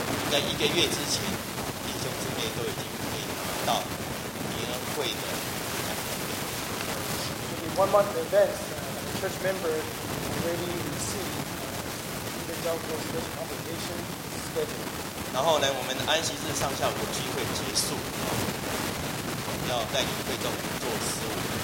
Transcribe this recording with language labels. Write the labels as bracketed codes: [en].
[zh] 在一个月之前，弟兄姊妹都已经可以拿到年会的。 [en] One month in advance, the church member already received the Evangelical Church Convocation schedule. [zh] 然后呢，我们的安息日上下午聚会结束，我们要在年会中做事务。